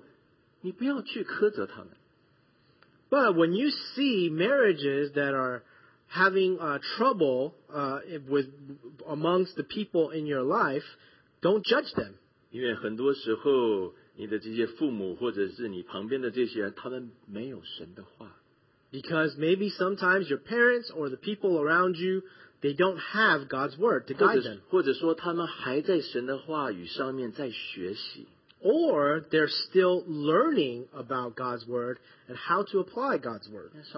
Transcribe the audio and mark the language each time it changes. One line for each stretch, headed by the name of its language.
Chinese: 所以，当你看见你自己的父母或者是你身旁的人没有走上神的这个心意，你看见不对劲，或者是你看见不好的层面的时候，你不要去苛责他们。
English: But when you see marriages that are having trouble with amongst the people in your life, don't judge them.
Chinese: 因为很多时候，你的这些父母或者是你旁边的这些人，他们没有神的话。
English: Because maybe sometimes your parents or the people around you, they don't have God's word to guide them.
Chinese: 或者说他们还在神的话语上面在学习。
English: Or they're still learning about God's word and how to apply God's word.